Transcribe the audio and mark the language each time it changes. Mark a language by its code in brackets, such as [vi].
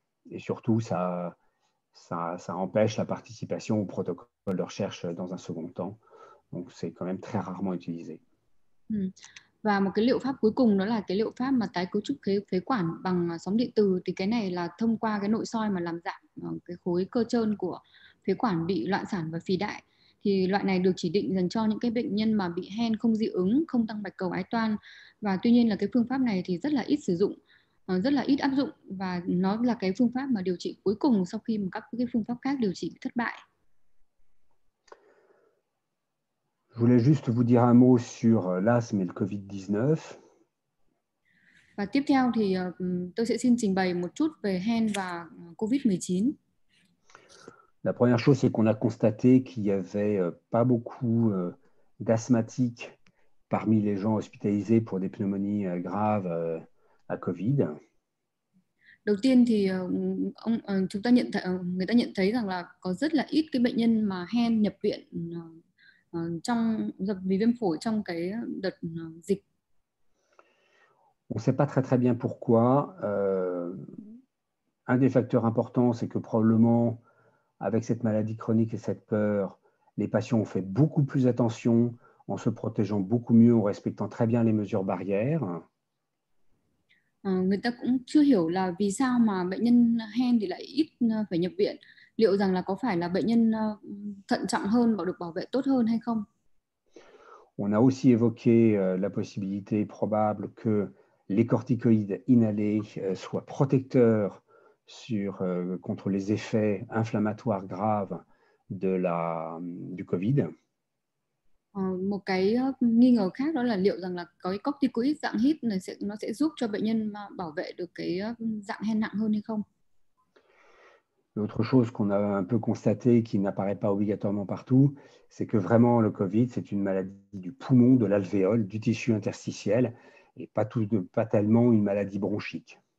[fr] Et surtout, ça empêche la participation au protocole de recherche dans un second temps. Donc, c'est quand même très rarement utilisé. [vi] Và một cái liệu pháp cuối cùng đó là cái liệu pháp mà tái cấu trúc phế quản bằng sóng điện từ, thì cái này là thông qua cái nội soi mà làm giảm cái khối cơ trơn của phế quản bị loạn sản và phì đại. Thì loại này được chỉ định dành cho những cái bệnh nhân mà bị hen không dị ứng, không tăng bạch cầu ái toan. Và tuy nhiên là cái phương pháp này thì rất là ít sử dụng, rất là ít áp dụng, và nó là cái phương pháp mà điều trị cuối cùng sau khi mà các cái phương pháp khác điều trị thất bại. [fr] Je voulais juste vous dire un mot sur l'asthme et le Covid-19. [vi] Và tiếp theo thì tôi sẽ xin trình bày một chút về hen và COVID-19. [fr] La première chose, c'est qu'on a constaté qu'il n'y avait pas beaucoup d'asthmatiques parmi les gens hospitalisés pour des pneumonies graves à Covid. [vi] Đầu tiên thì chúng ta nhận thấy, người ta nhận thấy rằng là có rất là ít cái bệnh nhân mà hen nhập viện trong vì viêm phổi trong cái đợt dịch. [fr] On ne sait pas très très bien pourquoi. Un des facteurs importants, c'est que probablement, avec cette maladie chronique et cette peur, les patients ont fait beaucoup plus attention en se protégeant beaucoup mieux, en respectant très bien les mesures barrières. [vi] Người ta cũng chưa hiểu là vì sao mà bệnh nhân hen thì lại ít phải nhập viện. Liệu rằng là có phải là bệnh nhân thận trọng hơn và được bảo vệ tốt hơn hay không? [fr] On a aussi évoqué la possibilité probable que les corticoïdes inhalés soient protecteurs contre les effets inflammatoires graves du Covid. [vi] Một cái nghi ngờ khác đó là liệu rằng là có cái corticoid dạng HIIT này nó sẽ giúp cho bệnh nhân bảo vệ được cái dạng hen nặng hơn hay không? [fr] L'autre chose qu'on a un peu constatée, qui n'apparaît pas obligatoirement partout, c'est que vraiment le Covid, c'est une maladie du poumon, de l'alvéole, du tissu interstitiel, et pas tellement une maladie bronchique.